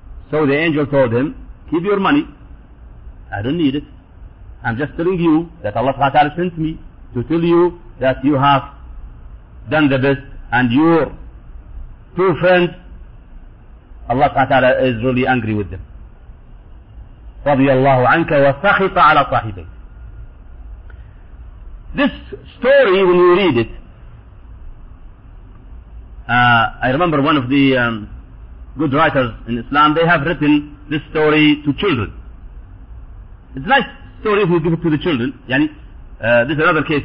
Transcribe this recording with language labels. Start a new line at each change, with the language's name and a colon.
English: So the angel told him, keep your money, I don't need it. I'm just telling you that Allah ta'ala sent me to tell you that you have done the best, and your two friends, Allah ta'ala is really angry with them.
Arabic: رضي الله عنك وسخط على صاحبك.
English: This story, when you read it, I remember one of the good writers in Islam, they have written this story to children. It's a nice story if you give it to the children. Yani, this is another case.